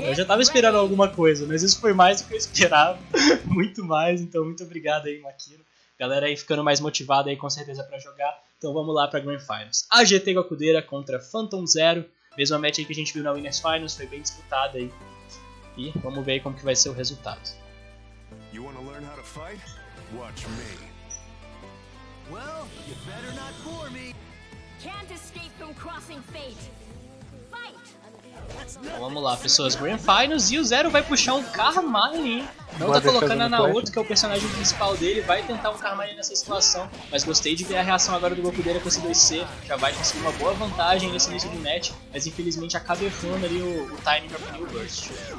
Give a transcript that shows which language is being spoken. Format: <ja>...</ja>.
<pt>Eu já tava esperando alguma coisa. Mas isso foi mais do que eu esperava. Muito mais. Então, muito obrigado aí, Makino. Galera aí ficando mais motivada aí, com certeza, pra jogar. Então, vamos lá pra Grand Finals. AGT Gokudeira contra Phantom Zero. Mesma match aí que a gente viu na Winners Finals, foi bem disputada aí. E vamos ver aí como que vai ser o resultado.</pt> <en>You wanna learn how to fight? Watch me. Well, you better not bore me. Can't escape from crossing fate. Fight!</en> <pt>Então vamos lá, pessoas, Grand Finals, e o Zero vai puxar um Carmine, hein? Não tá colocando a Naoto, que é o personagem principal dele, vai tentar um Carmine nessa situação, mas gostei de ver a reação agora do Gokudeira com esse 2C, já vai conseguir uma boa vantagem nesse início de match, mas infelizmente acaba errando ali o timing pra punir o Burst.</pt>